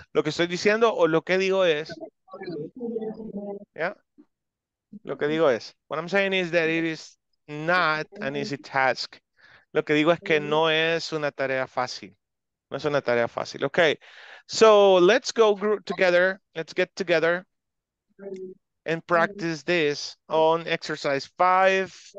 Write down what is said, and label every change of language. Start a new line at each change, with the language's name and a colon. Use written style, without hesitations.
Spanish: Lo que estoy diciendo o lo que digo es. Yeah. Lo que digo es.
English: What I'm saying is that it is not an easy task.
Spanish: Lo que digo es que no es una tarea fácil. No es una tarea fácil.
English: Okay. So let's go group together. Let's get together and practice this on exercise 5.